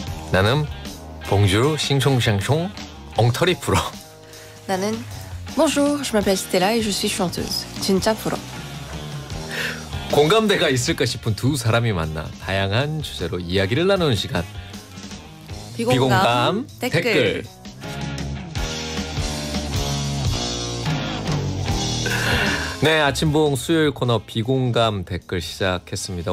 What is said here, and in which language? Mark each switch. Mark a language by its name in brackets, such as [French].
[Korean] 나는 봉주 싱숑샹숑 엉터리 프로. 나는 [French] Bonjour, je m'appelle Stella et je suis chanteuse. [Korean] 진짜 프로. 공감대가 있을까 싶은 두 사람이 만나 다양한 주제로 이야기를 나누는 시간. 비공감 댓글. 네, 아침봉 수요일 코너 비공감 댓글 시작했습니다.